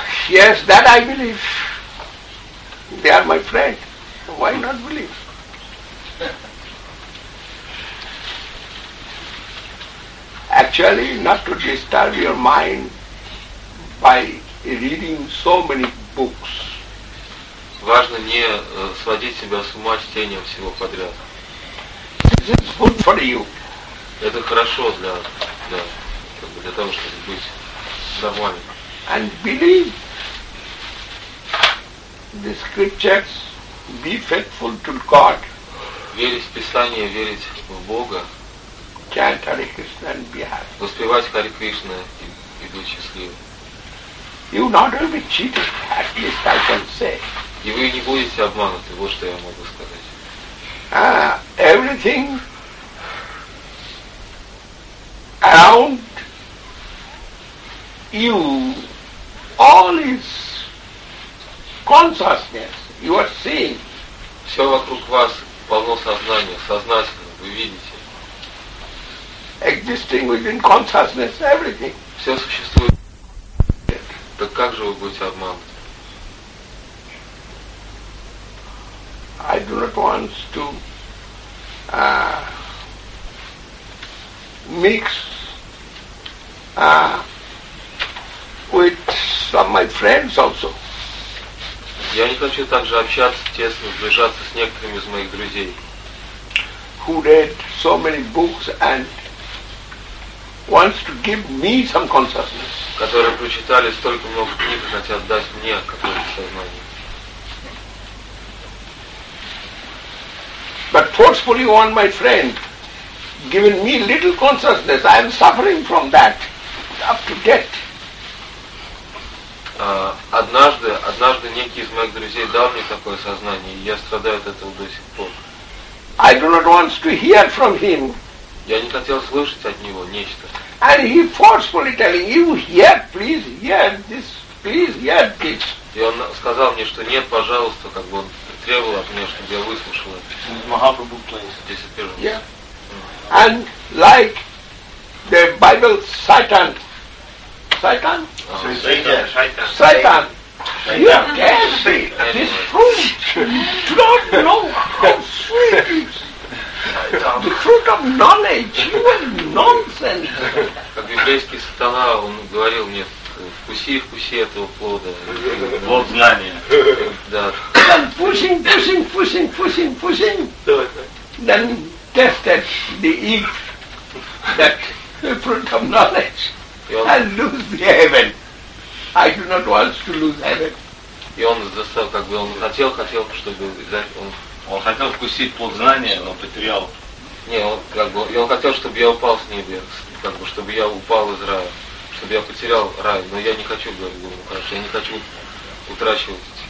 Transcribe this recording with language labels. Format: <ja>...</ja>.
<en>Yes, that I believe. They are my friend. Why not believe? Actually, not to disturb your mind by reading so many books.</en> <ru>Важно не сводить себя с ума чтением всего подряд.</ru> <en>This is good for you.</en> <ru>Это хорошо для того, чтобы быть нормальным.</ru> <en>And believe the scriptures, be faithful to God.</en> <ru>Верить в Писание, верить в Бога.</ru> <en>Chant Hare Krishna and be happy.</en> <ru>Воспевать Харе Кришна и быть счастливым.</ru> <en>You not only cheated, at least I can say.</en> <ru>И вы не будете обмануты, вот что я могу сказать.</ru> <en>Everything around you, all is consciousness, you are seeing.</en> <ru>Все вокруг вас полно сознания, сознательно, вы видите.</ru> <en>Existing within consciousness, everything.</en> <ru>Все существует. Так как же вы будете обмануты?</ru> <en>I do not want to mix with some of my friends also.</en> <ru>Я не хочу также общаться тесно, сближаться с некоторыми из моих друзей.</ru> <en>Who read so many books and wants to give me some consciousness.</en> <ru>Которые прочитали столько много книг и хотят дать мне какое-то сознание.</ru> <en>But forcefully on my friend, giving me little consciousness, I am suffering from that up to death.</en> <ru>Однажды некий из моих друзей дал мне такое сознание, и я страдаю от этого до сих пор.</ru> <en>I do not want to hear from him.</en> <ru>Я не хотел слышать от него нечто.</ru> <en>And he forcefully telling you, hear, please, hear this, please, hear this.</en> <ru>И он сказал мне, что нет, пожалуйста, как бы он требовал от меня, чтобы я выслушал это.</ru> <en>Mahaprabhu plays. Yeah. And like the Bible, Satan. Satan? Satan. You are guessing. Anyway. This fruit. Do not know how sweet it is. The fruit of knowledge. You are nonsense.</en> <ru>Как библейский сатана, он говорил мне, вкуси этого плода. Плод знания. Да.</ru> <en>And pushing. Then tested the Eve, that fruit of knowledge, and lose the heaven. I do not want to lose heaven.</en> <ru>И он застал, как бы он хотел, чтобы он хотел вкусить плод знания, но потерял. Не, он как бы он хотел, чтобы я упал с небес, как бы чтобы я упал из рая, чтобы я потерял рай, но я не хочу, говорю, ну хорошо, я не хочу утрачивать.</ru>